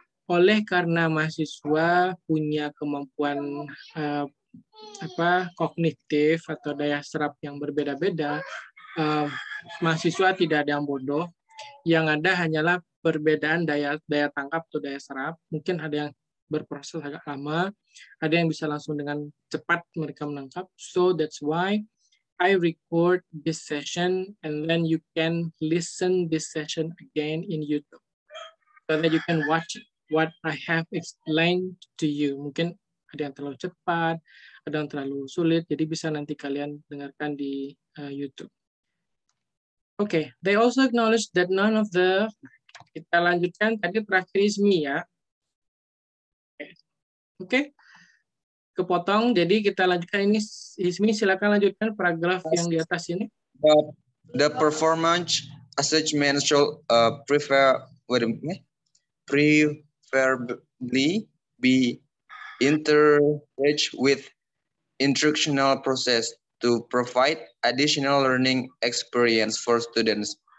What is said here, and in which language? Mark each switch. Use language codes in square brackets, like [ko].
[id] Oleh karena mahasiswa punya kemampuan kognitif atau daya serap yang berbeda-beda, mahasiswa tidak ada yang bodoh. Yang ada hanyalah perbedaan daya tangkap atau daya serap. Mungkin ada yang berproses agak lama, ada yang bisa langsung dengan cepat mereka menangkap. [en] So that's why I record this session and then you can listen this session again in YouTube. so that you can watch what I have explained to you. [id] Mungkin ada yang terlalu cepat, ada yang terlalu sulit, jadi bisa nanti kalian dengarkan di YouTube. [en] Okay, they also acknowledge that none of the, [id] kita lanjutkan, tadi terakhir [en] is me ya. [id] Okay. Kepotong, jadi kita lanjutkan ini, Ismi silakan lanjutkan paragraf yang di atas ini. [en] The performance assessment shall preferably be interaged with instructional process to provide additional learning experience for students.